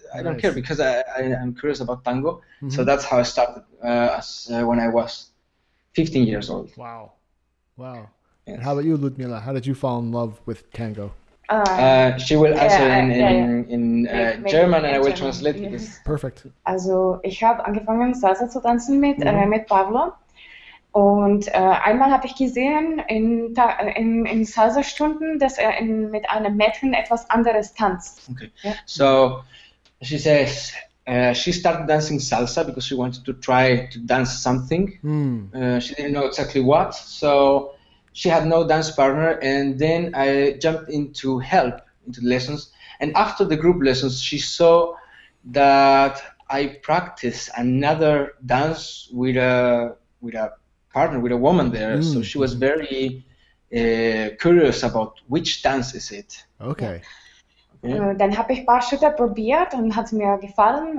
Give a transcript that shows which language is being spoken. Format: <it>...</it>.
<en>I don't care, because I'm curious about tango. Mm-hmm. So that's how I started when I was 15 years old. Wow. Wow. Yes. And how about you, Ludmila? How did you fall in love with tango? She will answer in German, and I will translate this. Perfect.</en> <de>Also, ich habe angefangen, Salsa zu tanzen mit Pablo. Und einmal habe ich gesehen in Salsa-Stunden, dass mit einem Mädchen etwas anderes tanzt.</de> <en>Okay. Yeah. So, she says she started dancing salsa because she wanted to try to dance something. Mm. She didn't know exactly what. So. She had no dance partner, and then I jumped in to help into the lessons. And after the group lessons, she saw that I practiced another dance with a partner, with a woman there. Mm. So she was very curious about which dance is it. Okay.</en> <de>Dann habe ich ein paar Schritte probiert und hat mir gefallen.</de>